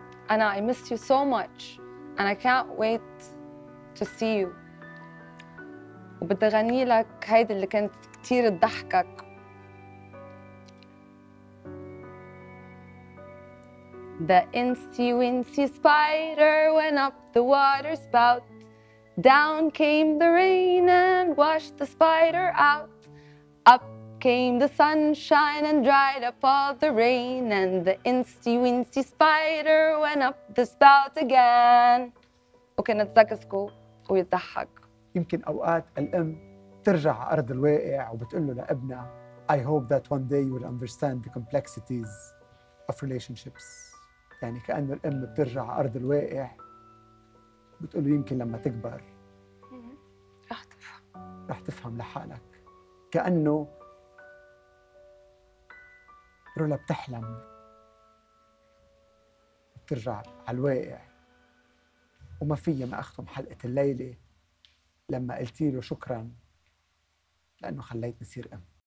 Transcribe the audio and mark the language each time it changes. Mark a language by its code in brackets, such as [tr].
[ar] أنا [en] I missed you so much and I can't wait to see you. [ar] وبدي غني لك هيدي اللي كانت كتير تضحكك. [en] The insy winsy spider went up the water spout. Down came the rain and washed the spider out. Up came the sunshine and dried up all the rain. And the insy winsy spider went up the spout again. [ar] اوكي نتذكسكو ويضحك. يمكن اوقات الام ترجع على ارض الواقع وبتقول له لابنها [en] I hope that one day you will understand the complexities of relationships. [ar] يعني كأنه الأم بترجع على أرض الواقع بتقول له يمكن لما تكبر رح تفهم لحالك. كأنه رولا بتحلم بترجع على الواقع وما فيي ما أختم حلقة الليلة لما قلتي له شكرا لأنه خليتني أصير أم.